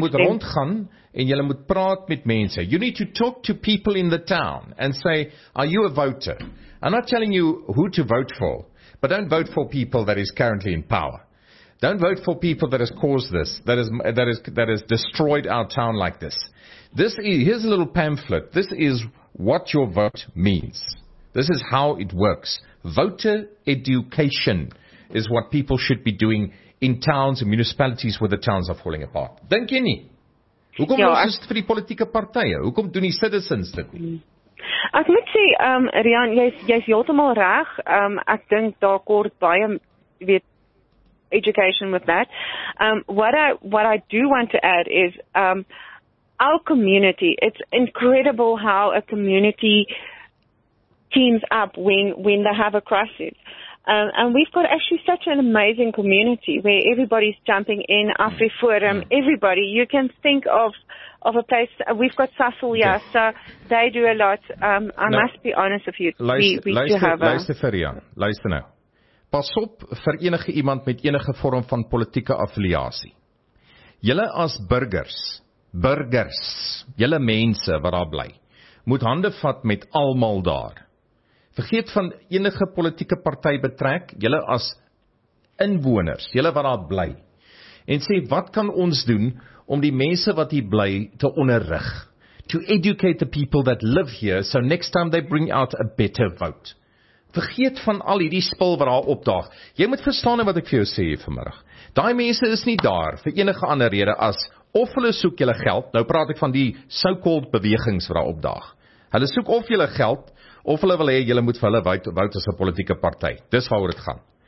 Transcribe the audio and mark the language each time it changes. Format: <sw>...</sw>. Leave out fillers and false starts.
<af>moet rondgaan en julle moet praat met mense.</af> <en>You need to talk to people in the town and say, are you a voter? I'm not telling you who to vote for, but don't vote for people that is currently in power. Don't vote for people that has caused this, that has destroyed our town like this. Here's a little pamphlet. This is what your vote means. This is how it works. Voter education is what people should be doing in towns and municipalities where the towns are falling apart.</en> <af>Dink jy nie? Hoekom is dit vir die politieke partye? Hoekom doen die citizens dit nie? Ek moet sê, Rian, jy is heeltemal reg. Ek dink daar kort baie, weet,</af> <en>education with that. What I do want to add is our community. It's incredible how a community teams up when they have a crisis. And we've got actually such an amazing community where everybody's jumping in. AfriForum, everybody. You can think of a place. We've got Sasol, so they do a lot. Must be honest with you.</en> <af>Luister now. Pas op vir enige iemand met enige vorm van politieke affiliasie. Julle as burgers, julle mense wat daar bly, moet hande vat met almal daar. Vergeet van enige politieke party betrek, julle as inwoners, julle wat daar bly, en sê, wat kan ons doen om die mense wat hier bly te onderrig?</af> <en>To educate the people that live here, so next time they bring out a better vote.</en> <af>Vergeet van al hierdie spul wat daar opdaag. Jy moet verstaan wat ek vir jou sê vanmiddag. Daai mense is nie daar vir enige ander rede as of hulle soek julle geld. Nou praat ek van die so-called bewegings wat daar opdaag. Hulle soek of julle geld of hulle wil hê julle moet vir hulle vote as 'n politieke party. Dis waaroor dit gaan.</af>